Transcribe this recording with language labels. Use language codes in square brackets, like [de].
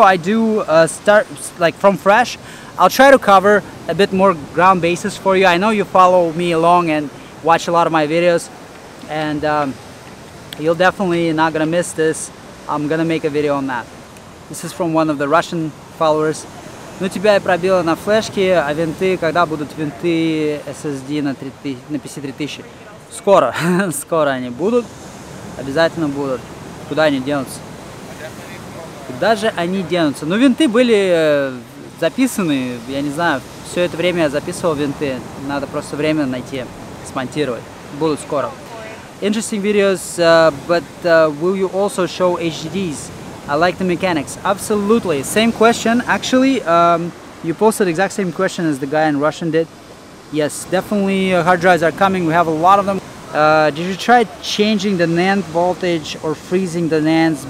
[en] I do start like from fresh. I'll try to cover a bit more ground basis for you. I know you follow me along and watch a lot of my videos, and you're definitely not gonna miss this. I'm gonna make a video on that. This is from one of the Russian followers. [ru] Ну тебя я пробила на флешке, а винты, когда будут винты SSD на PC 3000? Скоро, скоро они будут. Обязательно будут. Куда они денутся? Куда же они денутся? Ну, винты были записаны. Я не знаю, все это время я записывал винты. Надо просто время найти, смонтировать. Будут скоро. [en] Interesting videos, but will you also show HDDs? I like the mechanics. Absolutely. Same question. Actually, you posted exact same question as the guy in Russian did. Yes, definitely hard drives are coming. We have a lot of them. Did you try changing the NAND voltage or freezing the NANDs?